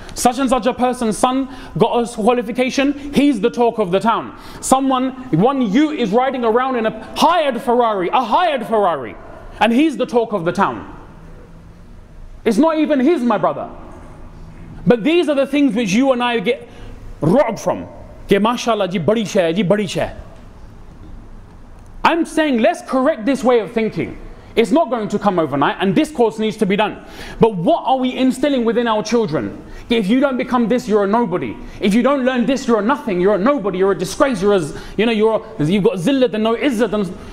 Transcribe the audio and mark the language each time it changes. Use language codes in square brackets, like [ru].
[en] Such and such a person's son got a qualification, he's the talk of the town. One is riding around in a hired Ferrari, and he's the talk of the town. It's not even his, my brother. But these are the things which you and I get rob from. [ur] کہ ماشاءاللہ جی بڑی شے ہے جی بڑی شے۔ [en] I'm saying let's correct this way of thinking. It's not going to come overnight and discourse needs to be done. But what are we instilling within our children? If you don't become this, you're a nobody. If you don't learn this, you're a nothing. You're a nobody. You're a disgrace. You've got zillat and no izzat.